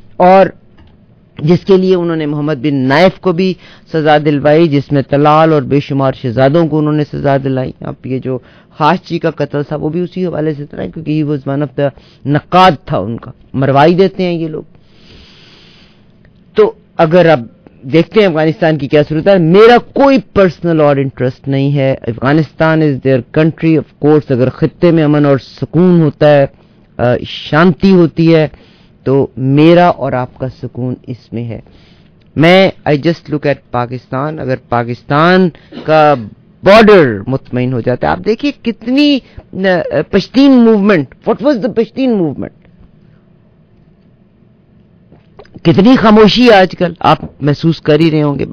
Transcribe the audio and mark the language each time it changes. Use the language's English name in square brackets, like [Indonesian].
[Urdu] اور جس کے لیے انہوں نے محمد بن نائف کو بھی سزا دلوائی, جس میں طلال اور بے شمار شہزادوں کو انہوں نے سزا دلائی. آپ یہ جو خاص جی کا قتل تھا وہ بھی اسی حوالے سے طرح, کیونکہ [English] he was one of the [Urdu] نقاد تھا ان کا, مروائی دیتے ہیں یہ لوگ. تو اگر آپ دیکھتے ہیں افغانستان کی کیا صورت ہے, میرا کوئی پرسنل اور انٹرسٹ نہیں ہے. [English] Afghanistan is their country, of course. [Urdu] اگر خطے میں امن اور سکون ہوتا ہے, شانتی ہوتی ہے, تو میرا اور آپ کا سکون اس میں ہے. [English] میں I just look at Pakistan. [Urdu] اگر پاکستان کا بارڈر مطمئن ہو جاتا ہے, آپ دیکھیے کتنی Pashteen movement, [English] what was the Pashteen movement, [Urdu] کتنی خاموشی آج کل آپ محسوس کر ہی رہے ہوں گے.